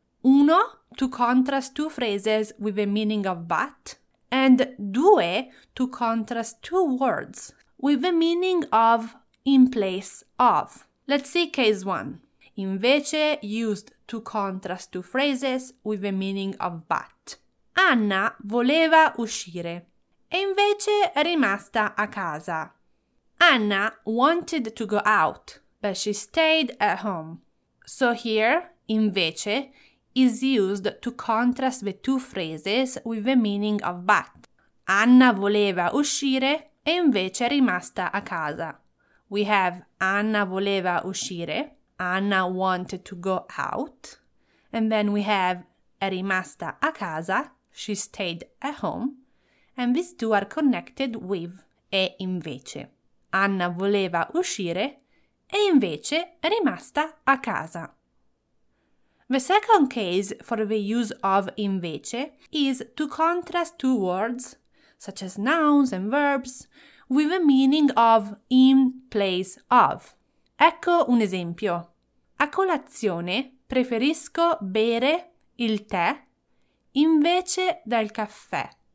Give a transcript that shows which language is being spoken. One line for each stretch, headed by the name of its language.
English: Uno, to contrast two phrases with the meaning of but, and due, to contrast two words with the meaning of in place of. Let's see case one. Invece used to contrast two phrases with the meaning of but.
Italian: Anna voleva uscire e invece è rimasta a casa.
English: Anna wanted to go out, but she stayed at home. So here, invece, is used to contrast the two phrases with the meaning of but.
Italian: Anna voleva uscire e invece è rimasta a casa.
English: We have
Italian: Anna voleva uscire,
English: Anna wanted to go out, and then we have
Italian: è rimasta a casa,
English: she stayed at home, and these two are connected with
Italian: e invece. Anna voleva uscire e invece è rimasta a casa.
English: The second case for the use of invece is to contrast two words, such as nouns and verbs, with the meaning of in place of.
Italian: Ecco un esempio. A colazione preferisco bere il tè invece del caffè.